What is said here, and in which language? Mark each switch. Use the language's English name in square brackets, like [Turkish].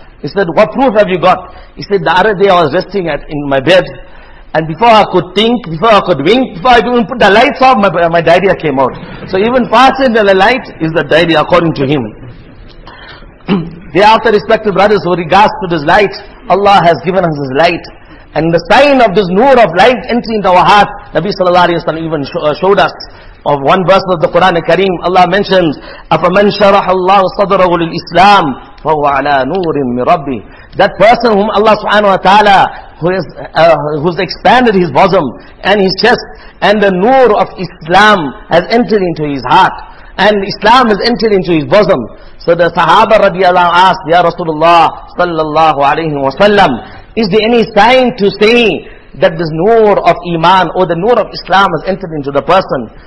[English] He said, what proof have you got? He said, the other day I was resting in my bed, and before I could think, before I could wink, before I even put the lights off, my diarrhea came out. So even faster than the light is the diarrhea, according to him. Thereafter, respected brothers, with regards to this light, Allah has given us this light. And the sign of this Nur of light entering into our heart, Nabi sallallahu alayhi wa sallam even showed us. Of one verse of the Quran al-Kareem, Allah mentions, [Arabic] أَفَمَنْ شَرَحَ اللَّهُ صَدْرَهُ لِلْإِسْلَامِ فَهُوَ عَلَى نُورٍ مِّ رَبِّهِ. [English] That person whom Allah subhanahu wa ta'ala, who has expanded his bosom and his chest, and the Nur of Islam has entered into his heart, and Islam has entered into his bosom. So the Sahaba radiallahu anhu asked, Ya Rasulullah sallallahu alayhi wa sallam, is there any sign to say that this Nur of Iman or the Nur of Islam has entered into the person?